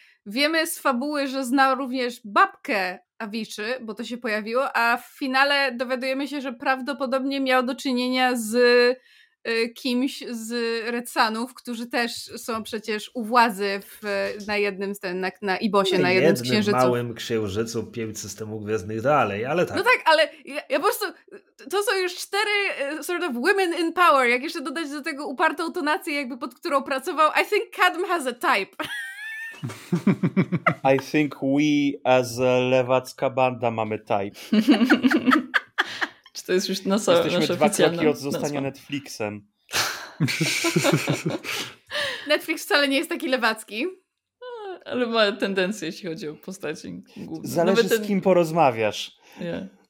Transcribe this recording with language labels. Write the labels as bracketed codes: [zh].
[pl] Wiemy z fabuły, że znał również babkę Aviczy, bo to się pojawiło, a w finale dowiadujemy się, że prawdopodobnie miał do czynienia z kimś z Red Sunów, którzy też są przecież u władzy na jednym z księżyców. Na jednym małym księżycu 5 systemów gwiezdnych dalej, ale tak. No tak, ale ja po prostu to są już 4 [en] sort of women in power, [pl] jak jeszcze dodać do tego upartą tonację, jakby pod którą pracował. [en] I think Kadm has a type. I think we as a [pl] lewacka banda mamy [en] type. [pl] To jest już na nasze oficjalne. Jesteśmy 2 kroki od zostania nazwa. Netflixem. Netflix wcale nie jest taki lewacki. Ale ma tendencje, jeśli chodzi o postaci główne. Zależy z kim porozmawiasz. [en] Yeah.